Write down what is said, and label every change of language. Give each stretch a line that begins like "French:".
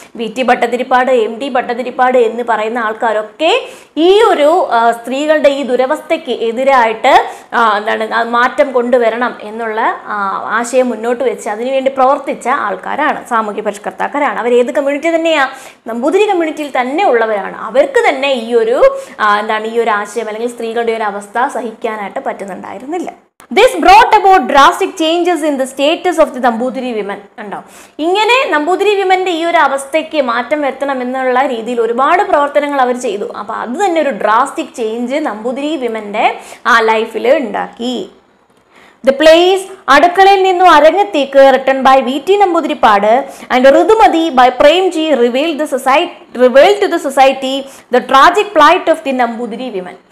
Malayalam: V T Bhattathiripad, M D Bhattathiripad എന്ന് പറയുന്ന ആൾക്കാരൊക്കെ ഈ ഒരു സ്ത്രീകളുടെ ഈ ദുരവസ്ഥയ്ക്ക് എതിരായിട്ട് എന്താണ് മാറ്റം കൊണ്ടുവരണം എന്നുള്ള ആശയം മുന്നോട്ട് വെച്ച് അതിനുവേണ്ടി പ്രവർത്തിച്ച ആൾക്കാരാണ്, സാമൂഹ്യ പരിഷ്കർത്താക്കാരാണ്. അവരേത് കമ്മ്യൂണിറ്റി തന്നെയാ, നമ്പൂതിരി കമ്മ്യൂണിറ്റിയിൽ തന്നെ ഉള്ളവരാണ്. അവർക്ക് തന്നെ ഈ ഒരു എന്താണ് ഈ ഒരു ആശയം അല്ലെങ്കിൽ സ്ത്രീകളുടെ ഒരു അവസ്ഥ സഹിക്കാനായിട്ട് പറ്റുന്നുണ്ടായിരുന്നില്ല.
English: This brought about drastic changes in the status of the Nambudiri women.
Malayalam: ഉണ്ടോ ഇങ്ങനെ നമ്പൂതിരി വിമന്റെ ഈ ഒരു അവസ്ഥയ്ക്ക് മാറ്റം വരുത്തണം എന്നുള്ള രീതിയിൽ ഒരുപാട് പ്രവർത്തനങ്ങൾ അവർ ചെയ്തു. അപ്പൊ അത് തന്നെ ഒരു
English: drastic change
Malayalam: നമ്പൂതിരി വിമന്റെ ആ ലൈഫിൽ ഉണ്ടാക്കി.
English: The place അടുക്കളയിൽ നിന്നും അരങ്ങത്തേക്ക് return by V T Namboothiripad and Rithumathi by Premji reveal to the society the tragic plight of the Namboothiri women.